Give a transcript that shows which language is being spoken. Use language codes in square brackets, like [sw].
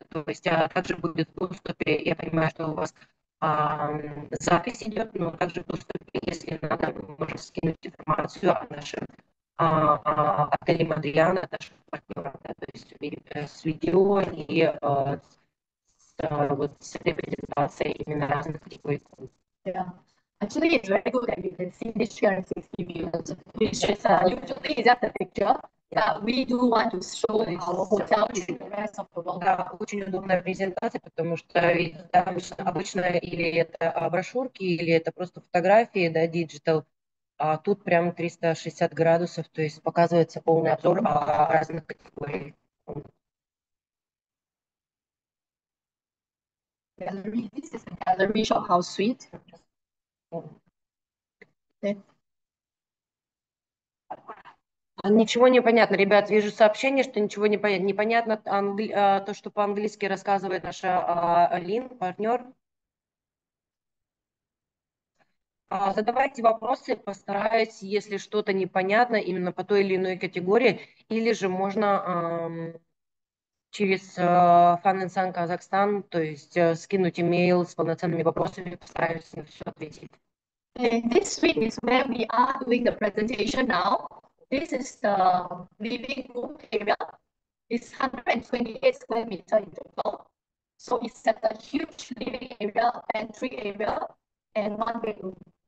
[ru] То есть также будет в доступе, я понимаю, что у вас запись идет, но также в доступе, если надо, можно скинуть информацию о нашем отеле Мадриана, нашего партнера, да, то есть с видео и вот с этой презентацией именно разных категорий. [en] Yeah. Actually, it's very good that you can see this 360 views, which is usually just a picture, but we do want to show our hotel to the rest of the world. [ru] Да, очень удобная презентация, потому что да, обычно или это брошюрки, или это просто фотографии, да, digital. А тут прям 360 градусов, то есть показывается полный обзор разных категорий. [en] Gallery. This is a gallery shop house suite. Okay. [ru] Ничего не понятно, ребят. Вижу сообщение, что ничего не понятно. Непонятно то, что по-английски рассказывает наша Лин, партнер. Задавайте вопросы, постараюсь, если что-то непонятно именно по той или иной категории, или же можно через Fun & Sun Казахстан, то есть скинуть имейл с полноценными вопросами, постараюсь на все ответить. [en] And this suite is where we are doing the presentation now. This is the living room area. It's 128 square meter in total. So it's at a huge living area, entry area, and one bedroom.